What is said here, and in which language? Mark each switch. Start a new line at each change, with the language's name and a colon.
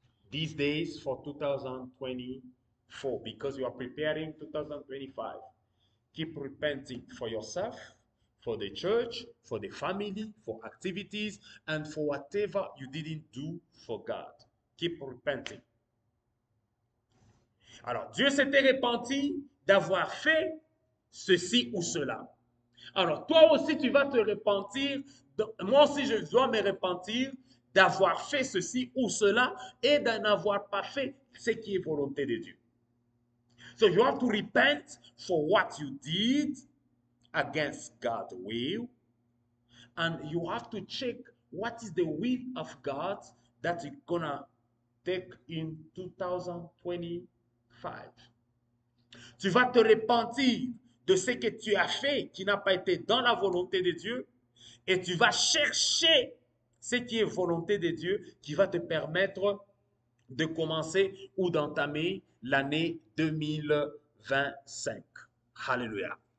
English: These days for 2024, because you are preparing 2025. Keep repenting for yourself, for the church, for the family, for activities, and for whatever you didn't do for God. Keep repenting.
French: Alors, Dieu s'était repenti d'avoir fait ceci ou cela. Alors, toi aussi, tu vas te repentir. Moi aussi, je dois me repentir d'avoir fait ceci ou cela et d'en avoir pas fait ce qui est volonté de Dieu.
English: So you have to repent for what you did against God's will. And you have to check what is the will of God that you're going to take in 2025.
French: Tu vas te repentir de ce que tu as fait qui n'a pas été dans la volonté de Dieu et tu vas chercher ce qui est volonté de Dieu qui va te permettre de commencer ou d'entamer l'année 2025. Alléluia.